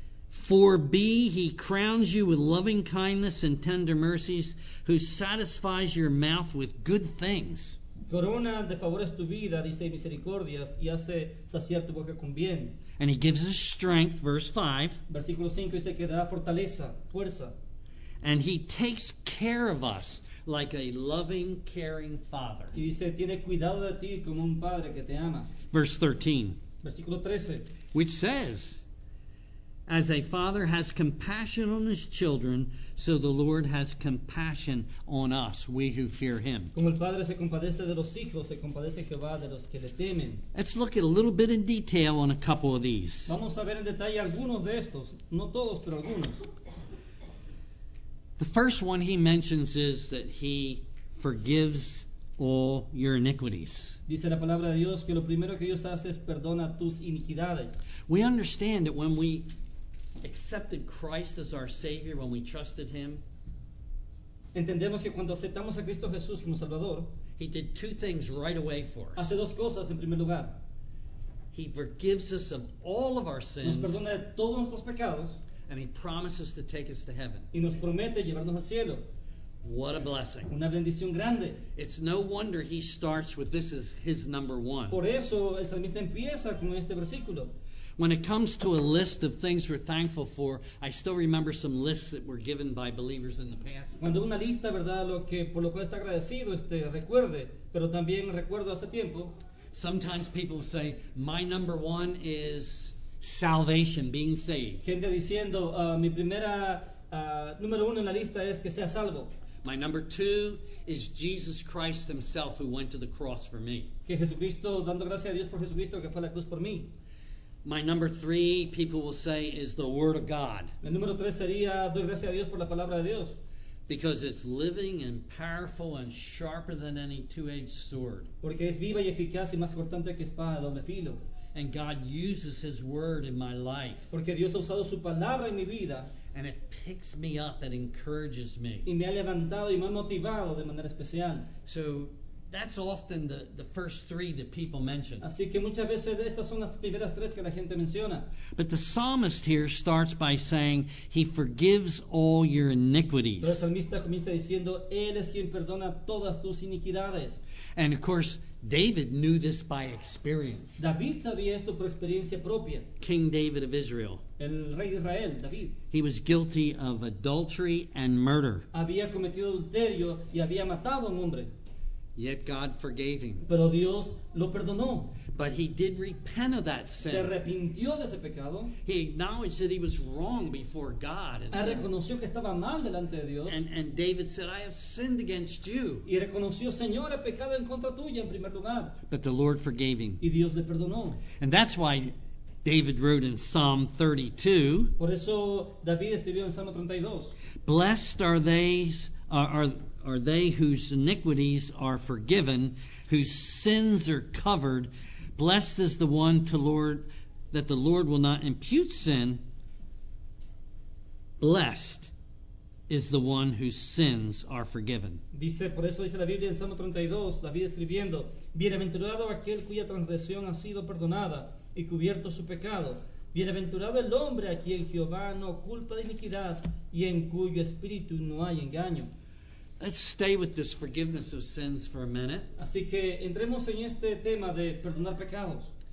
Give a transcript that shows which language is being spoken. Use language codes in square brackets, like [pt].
[en] 4b, he crowns you with loving kindness and tender mercies, who satisfies your mouth with good things. [es] Corona de favores tu vida, dice misericordias, y hace saciar tu boca con bien. [en] And he gives us strength, verse 5. [es] Versículo 5 dice que da fortaleza, fuerza. [en] And he takes care of us like a loving, caring father. [es] Y dice, tiene cuidado de ti como un padre que te ama. [en] Verse 13. [es] Versículo 13. [en] Which says, as a father has compassion on his children, so the Lord has compassion on us, we who fear him. [es] Como el padre se compadece de los hijos, se compadece Jehová de los que le temen. [en] Let's look at a little bit in detail on a couple of these. [es] Vamos a ver en detalle algunos de estos, no todos, pero algunos. [en] The first one he mentions is that he forgives all your iniquities. [es] Dice la palabra de Dios que lo primero que Dios hace es perdona tus iniquidades. [en] We understand that when we accepted Christ as our Savior, when we trusted Him. [es] Entendemos que cuando aceptamos a Cristo Jesús como Salvador, [en] He did two things right away for us. [es] Hace dos cosas en primer lugar. [en] He forgives us of all of our sins. [es] Nos perdona de todos nuestros pecados. [en] And He promises to take us to heaven. [es] Y nos promete llevarnos al cielo. [en] What a blessing. [es] Una bendición grande. [en] It's no wonder he starts with this as his number one. [es] Por eso el salmista empieza con este versículo. [en] When it comes to a list of things we're thankful for, I still remember some lists that were given by believers in the past. [es] Cuando una lista, ¿verdad?, lo que por lo cual está agradecido, recuerde, pero también recuerdo hace tiempo. [en] Sometimes people say, my number one is salvation, being saved. [es] Gente diciendo, mi primera número uno en la lista es que sea salvo. [en] My number two is Jesus Christ himself who went to the cross for me. [es] Que Jesucristo, dando gracias a Dios por Jesucristo que fue a la cruz por mí. [en] My number three, people will say, is the Word of God. [es] El número tres sería, doy gracias a Dios por la palabra de Dios. [en] Because it's living and powerful and sharper than any two-edged sword. [es] Porque es viva y eficaz y más cortante que espada de doble filo. [en] And God uses His Word in my life. [es] Porque Dios ha usado su palabra en mi vida. [en] And it picks me up and encourages me. [es] Y me ha levantado y me ha motivado de manera especial. [en] So that's often the first three that people mention. [es] Así que muchas veces estas son las primeras tres que la gente menciona. [en] But the psalmist here starts by saying he forgives all your iniquities. [es] Pero el salmista comienza diciendo él es quien perdona todas tus iniquidades. [en] And of course, David knew this by experience. [es] David sabía esto por experiencia propia. [en] King David of Israel. [es] El rey de Israel, David. [en] He was guilty of adultery and murder. [es] Había cometido adulterio y había matado a un hombre. [en] Yet God forgave him. [es] Pero Dios lo perdonó. [en] But he did repent of that sin. [es] Se arrepintió de ese pecado. [en] He acknowledged that he was wrong before God. [es] Reconoció que estaba mal delante de Dios. [en] And David said, I have sinned against you. [es] Y reconoció, Señor, he pecado en contra tuya en primer lugar. [en] But the Lord forgave him. [es] Y Dios le perdonó. [en] And that's why David wrote in Psalm 32. [es] Por eso David escribió en Salmo 32. [en] Blessed are those are they whose iniquities are forgiven, whose sins are covered. Blessed is the one to Lord that the Lord will not impute sin. Blessed is the one whose sins are forgiven. [es] Dice, por eso dice la Biblia en Salmo 32, David escribiendo, bienaventurado aquel cuya transgresión ha sido perdonada y cubierto su pecado. Bienaventurado el hombre a quien Jehová no oculta de iniquidad y en cuyo espíritu no hay engaño. [en] Let's stay with this forgiveness of sins for a minute. [es] Así que entremos en este tema de perdonar pecados.